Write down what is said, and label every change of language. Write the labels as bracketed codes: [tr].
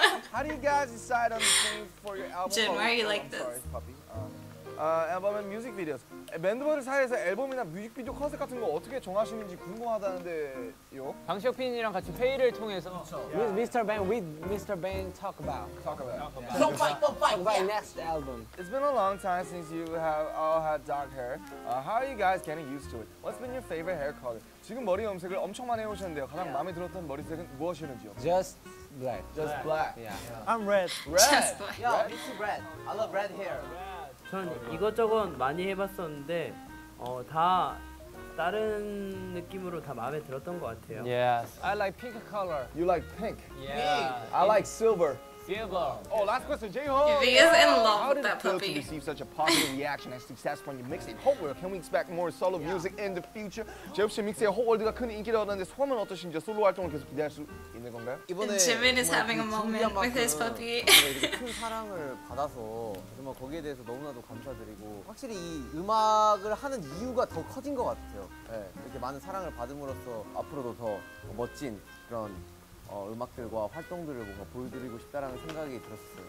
[en] How do you guys decide on the theme for your album? Jin, why are you like this? Album and music videos. [ko] 멤버들 사이에서 앨범이나 뮤직비디오 컨셉 같은 거 어떻게 정하시는지 궁금하다는데요. 방시혁PD랑 같이 회의를 통해서 [en] with Mr. Bang, talk about. Yeah. Don't fight. Next album. It's been a long time since you have all had dark hair. How are you guys getting used to it? What's been your favorite hair color? [ko] 지금 머리 염색을 엄청 많이 해오셨는데요. 가장 마음에 들었던 머리색은 무엇이었는지요? [en] Just black. Yeah. I'm red. Just black. Yo, it's red. I love red hair. Red. [ko] 전 이것저것 많이 해봤었는데 다 다른 느낌으로 다 마음에 들었던 것 같아요. [en] Yes. I like pink color. You like pink? Yeah. Pink. I like silver. Silver. Oh, last question, J-Hope. He is in love with that puppy. How did it feel to receive such a positive reaction and success from your mixtape, Hope World? Can we expect more solo music in the future? [ko] 제이홉 씨 믹스의 Hope World가 큰 인기를 얻었는데 소감은 어떠신지요? 솔로 활동을 계속 기대할 수 있는 건가요? 이번에 [en] Jimin is having a moment with his puppy. [ko] 큰 사랑을 받아서 정말 거기에 대해서 너무나도 감사드리고 확실히 이 음악을 하는 이유가 더 커진 것 같아요. 네, 이렇게 많은 사랑을 받음으로써 앞으로도 더 멋진 그런 음악들과 활동들을 뭔가 보여드리고 싶다라는 생각이 들었어요.